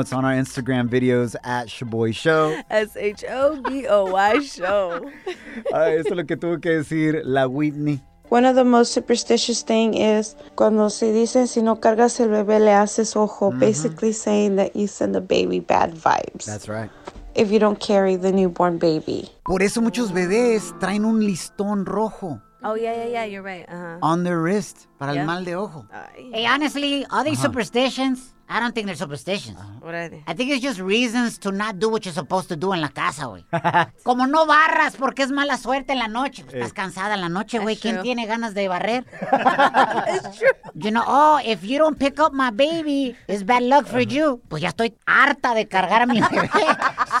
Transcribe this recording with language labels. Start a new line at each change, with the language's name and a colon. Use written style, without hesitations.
English: It's on our Instagram videos at Shaboy Show. Shaboy Show.
Spanish: Eso es lo que tuvo que decir la Whitney.
English: One of the most superstitious thing is
Spanish: cuando se dice si no cargas el bebé le haces ojo,
English: basically saying that you send the baby bad vibes. That's right. If you don't carry the newborn baby.
Spanish: Por eso muchos bebés traen un listón rojo.
English: Oh, yeah, you're right. On their wrist,
Spanish: para el mal de ojo.
English: Hey, honestly, all these superstitions, I don't think they're superstitions. What are they? I think it's just reasons to not do what you're supposed to do
Spanish: en la casa, güey. Como no barras porque es mala suerte en la noche. Pues estás cansada en la noche, güey. ¿Quién tiene ganas de barrer?
English: It's true. You know, if you don't pick up my baby, it's bad luck for you.
Spanish: Pues ya estoy harta de cargar a mi bebé.